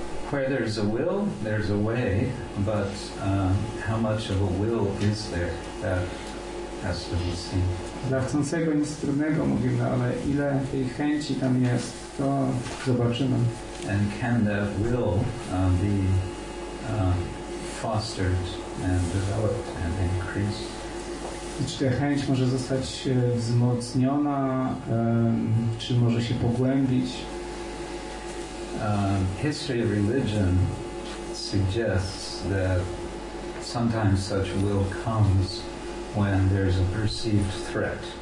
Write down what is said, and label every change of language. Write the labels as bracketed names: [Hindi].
[English] Where there is a will, there is a way, but how much of a will is there? That has to be seen. [Polish] Dla chcącego nic trudnego mówimy, ale ile tej chęci tam jest, to zobaczymy. [English] And can that will be fostered and developed and increased? [Polish] Czy ta chęć może zostać wzmocniona, czy może się pogłębić? [English] History of religion suggests that sometimes such will comes when there is a perceived threat.